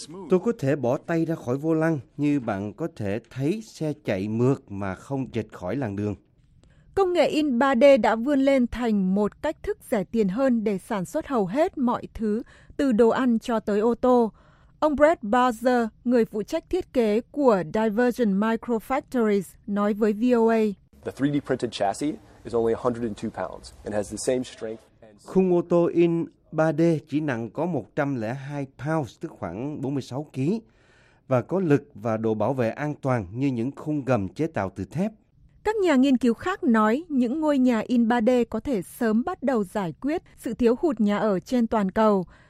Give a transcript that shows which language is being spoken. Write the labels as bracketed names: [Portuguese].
[Vietnamese] Tôi có thể bỏ tay ra khỏi vô lăng, như bạn có thể thấy xe chạy mượt mà không dịch khỏi làn đường. Công nghệ in 3D đã vươn lên thành một cách thức rẻ tiền hơn để sản xuất hầu hết mọi thứ, từ đồ ăn cho tới ô tô. Ông Brett Bowser, người phụ trách thiết kế của Divergent Microfactories, nói với VOA. [English] The 3D printed chassis is only 102 pounds and has the same strength. [Vietnamese] Khung ô tô in 3D chỉ nặng có 102 pounds, tức khoảng 46 kg, và có lực và độ bảo vệ an toàn như những khung gầm chế tạo từ thép. Các nhà nghiên cứu khác nói những ngôi nhà in 3D có thể sớm bắt đầu giải quyết sự thiếu hụt nhà ở trên toàn cầu.